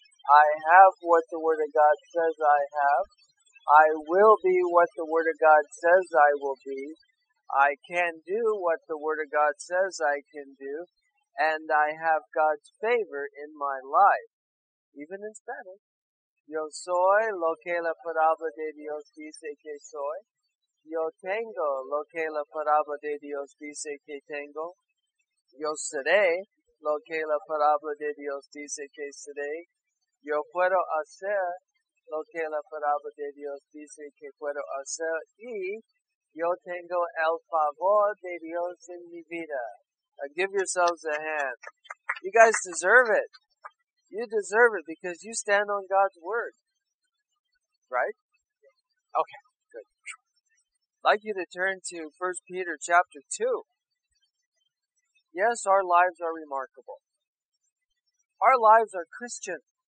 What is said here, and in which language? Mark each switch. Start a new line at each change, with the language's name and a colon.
English: I have what the Word of God says I have. I will be what the Word of God says I will be. I can do what the Word of God says I can do. And I have God's favor in my life. Even in Spanish.
Spanish: Yo soy lo que la palabra de Dios dice que soy. Yo tengo lo que la palabra de Dios dice que tengo. Yo seré lo que la palabra de Dios dice que seré. Yo puedo hacer lo que la palabra de Dios dice que puedo hacer. Y yo tengo el favor de Dios en mi vida.
English: Now give yourselves a hand. You guys deserve it. You deserve it because you stand on God's word. Right? Okay. I'd like you to turn to 1 Peter chapter 2. Yes, our lives are remarkable. Our lives are Christian.